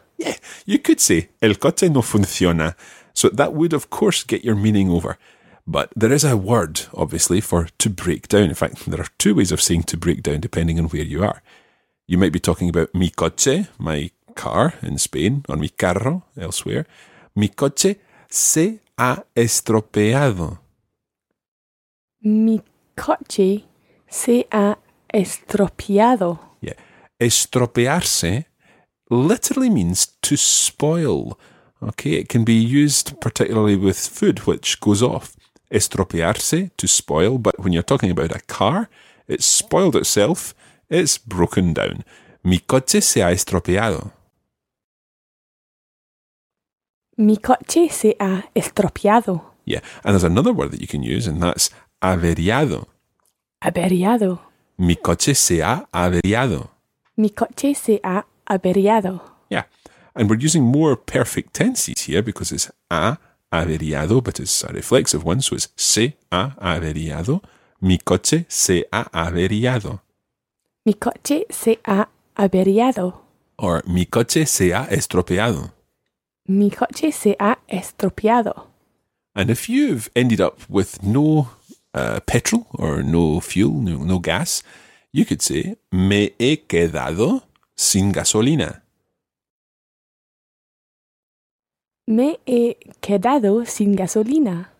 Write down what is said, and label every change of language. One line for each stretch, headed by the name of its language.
English: Yeah, you could say,
Spanish: el coche no funciona.
English: So that would, of course, get your meaning over. But there is a word, obviously, for to break down. In fact, there are two ways of saying to break down, depending on where you are. You might be talking about mi coche, my car in Spain, or mi carro elsewhere.
Spanish: Mi coche se ha estropeado. Mi coche se ha estropeado.
English: Yeah. Estropearse literally means to spoil. Okay, it can be used particularly with food, which goes off. Estropearse, to spoil. But when you're talking about a car, it's spoiled itself. It's broken down.
Spanish: Mi coche se ha estropeado. Mi coche se ha estropeado.
English: Yeah, and there's another word that you can use, and that's averiado.
Spanish: Averiado. Mi coche se ha averiado. Mi coche se ha averiado.
English: Yeah, and we're using more perfect tenses here because it's ha averiado, but it's a reflexive one, so it's se ha averiado.
Spanish: Mi coche se ha averiado. Mi coche se ha averiado. Or mi coche se ha estropeado. Mi coche se ha estropeado.
English: And if you've ended up with no petrol or no fuel, no gas, you could say,
Spanish: me he quedado sin gasolina. Me he quedado sin gasolina.